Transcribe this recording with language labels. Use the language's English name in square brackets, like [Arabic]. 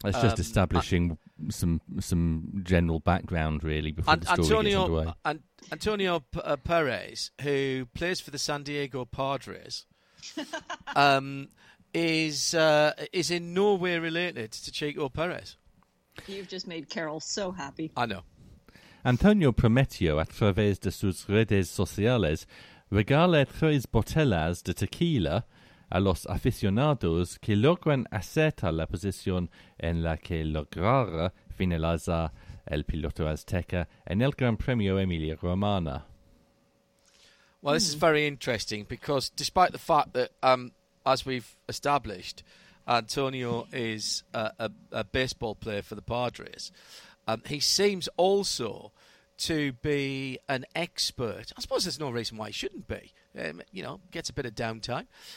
[English] It's just establishing some general background, really, before the story gets underway. Antonio Perez, who plays for the San Diego Padres, is in no way related to Checo Perez. You've just made Carol so happy. I know. [Spanish] Antonio Prometeo, a través de sus redes sociales, regala tres botellas de tequila a los aficionados que logran acertar la posición en la que lograra finalizar el piloto azteca en el Gran Premio Emilia Romana. [English] Well, this is very interesting because despite the fact that, as we've established, Antonio is a baseball player for the Padres, he seems also to be an expert. I suppose there's no reason why he shouldn't be. You know, gets a bit of downtime.